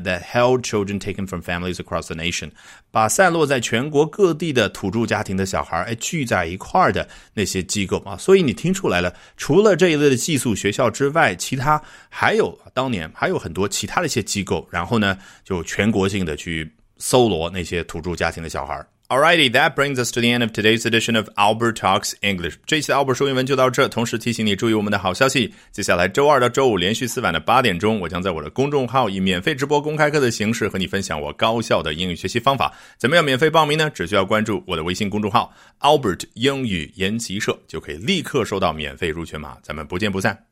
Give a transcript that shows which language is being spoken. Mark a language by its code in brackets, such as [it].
[en] That held children taken from families across the nation， [zh] 把散落在全国各地的土著家庭的小孩，哎，聚在一块的那些机构啊。所以你听出来了，除了这一类的寄宿学校之外，其他还有当年还有很多其他的一些机构，然后呢，就全国性的去搜罗那些土著家庭的小孩。 [en] Alrighty, that brings us to the end of today's edition of Albert Talks English. [zh] 这一期的 Albert 说英文就到这，同时提醒你注意我们的好消息。接下来周二到周五连续四晚的8点，我将在我的公众号以免费直播公开课的形式和你分享我高效的英语学习方法。怎么样免费报名呢？只需要关注我的微信公众号 Albert 英语研习社，就可以立刻收到免费入群码。咱们不见不散。